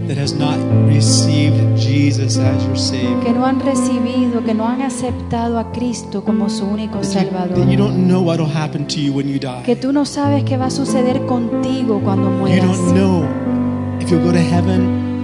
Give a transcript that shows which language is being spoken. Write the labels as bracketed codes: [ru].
[en] that has not received Jesus as your Savior, [es] que no han recibido, que no han aceptado a Cristo como su único Salvador, [en] that you don't know what'll happen to you when you die, [es] que tú no sabes qué va a suceder contigo cuando mueras, [en] you don't know if you'll go to heaven,